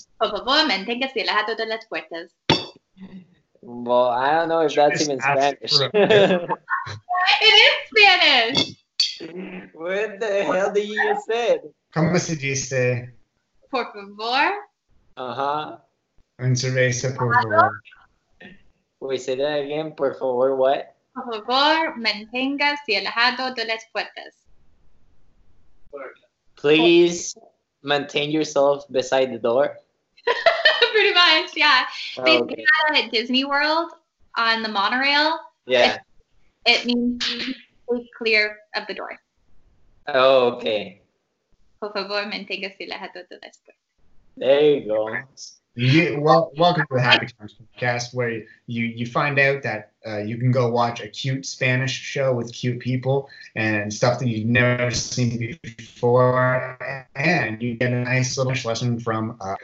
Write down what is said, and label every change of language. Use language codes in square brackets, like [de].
[es] Por favor, manténgase así alejado de las puertas. [en] Well, I don't know if that's even Spanish. It is Spanish. What the hell did you just say? [es] ¿Cómo se dice? Por favor. Uh-huh. En cerveza, por favor. [en] Wait, say that again. [es] Por favor, what? Por favor, manténgase así alejado de las puertas. [en] Please maintain yourself beside the door. Pretty much, yeah. They say that at Disney World on the monorail. Yeah. It means be clear of the door. Oh, okay. [es] Por favor, manténgase alejado de las puertas. [en] There you go. You, welcome to the Happy Times podcast, where you find out that you can go watch a cute Spanish show with cute people and stuff that you've never seen before, and you get a nice little lesson from.